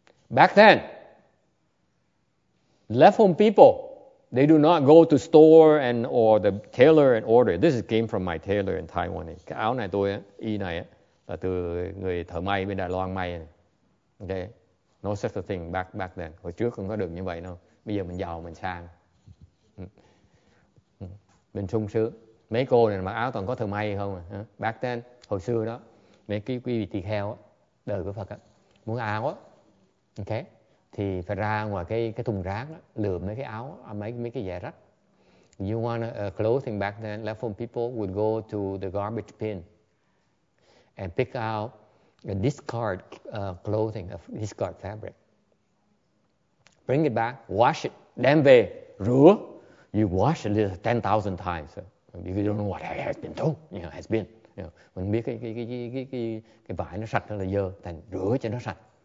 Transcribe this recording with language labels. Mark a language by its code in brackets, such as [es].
[en] Back then, left home people, they do not go to store and or the tailor and order. This came from my tailor in Taiwan. [vi] Cái áo này tôi y này là từ người thợ may bên Đài Loan may. [en] Okay, no such a thing back then. [vi] Hồi trước không có được như vậy đâu. Bây giờ mình giàu mình sang, mình sung sướng. Mấy cô này mặc áo toàn có thợ may không à? [en] Back then, [vi] hồi xưa đó, mấy cái quý vị tỳ kheo đời của Phật á, muốn áo á, okay, thì phải ra ngoài cái thùng rác đó, lượm mấy cái áo, mấy cái giày rách. [en] You want a clothing back then, left home people would go to the garbage bin and pick out a discard clothing, a discard fabric. Bring it back, wash it, [vi] đem về, rửa. [en] You wash it 10,000 times. You don't know what has been done, you know, has been. You know. [vi] Mình biết cái vải nó sạch hay là dơ, thành rửa cho nó sạch.